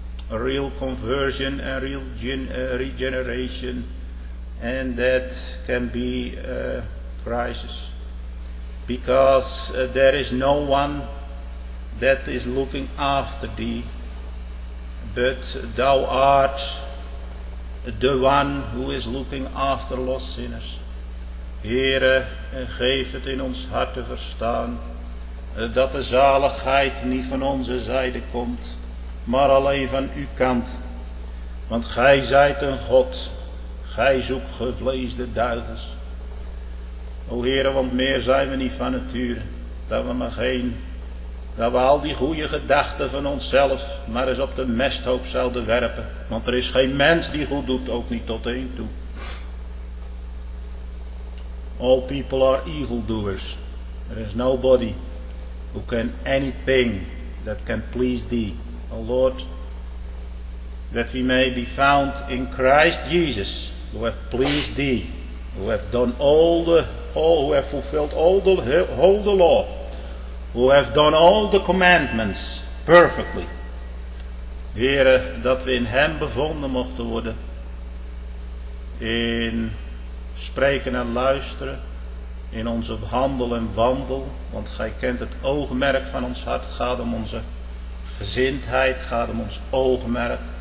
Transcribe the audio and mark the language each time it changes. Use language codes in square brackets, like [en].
[en] a real conversion, a real regeneration, and that can be a crisis. Because there is no one that is looking after thee, but thou art the one who is looking after lost sinners. [nl] Heere, geef het in ons hart te verstaan dat de zaligheid niet van onze zijde komt, maar alleen van uw kant. Want gij zijt een God, gij zoekt gevleesde duivels. O Heere, want meer zijn we niet van nature, dat we maar geen, dat we al die goede gedachten van onszelf maar eens op de mesthoop zouden werpen. Want er is geen mens die goed doet, ook niet tot één toe. [en] All people are evildoers. There is nobody who can anything that can please thee. O Lord, that we may be found in Christ Jesus, who have pleased thee, who have done all the, who have fulfilled all the whole law, who have done all the commandments perfectly. [nl] Heere, dat we in hem bevonden mochten worden, in spreken en luisteren, in onze handel en wandel, want gij kent het oogmerk van ons hart. Het gaat om onze gezindheid, het gaat om ons oogmerk.